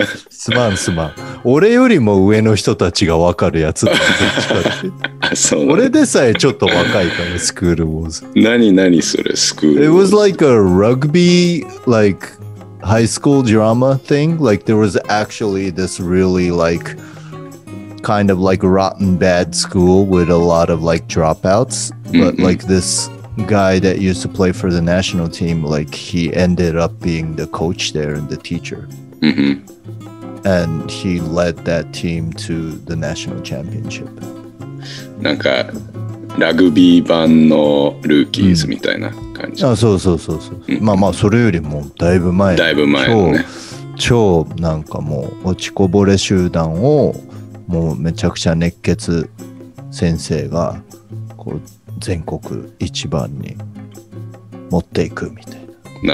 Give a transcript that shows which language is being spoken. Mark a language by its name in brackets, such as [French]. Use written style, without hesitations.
[Japanese] すまんすまん、俺よりも上の人たちが分かるやつだ、そう、俺でさえちょっと若いから、スクールウォーズ、何それスクールウォーズ。 [English] It was like a rugby likehigh school drama thing, like there was actually this really like kind of like rotten bad school with a lot of like dropouts, but、mm-hmm. like this guy that used to play for the national team, like he ended up being the coach there and the teacher、 mm-hmm. and he led that team to the national championship. [Japanese] なんかラグビー版のルーキーズみたいな感じ、うん、あ、そうそうそうそう、うん、まあまあそれよりもだいぶ前、だいぶ前の、ね、超なんかもう落ちこぼれ集団をもうめちゃくちゃ熱血先生がこう全国一番に持っていくみたいな。